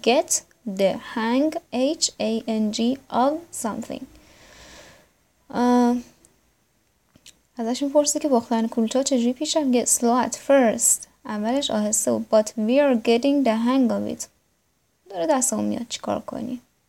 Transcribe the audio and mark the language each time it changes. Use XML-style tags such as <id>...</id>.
<en>Get the hang, H-A-N-G, of something.</en> <fa>ازش میپرسی که پختن کلوچه ها چجوری پیش رفت.</fa> <en>Get slow at first.</en> <fa>اولش آهسته.</fa> <en>But we are getting the hang of it.</en> <fa>داره دست هم میاد چیکار کنی.</fa>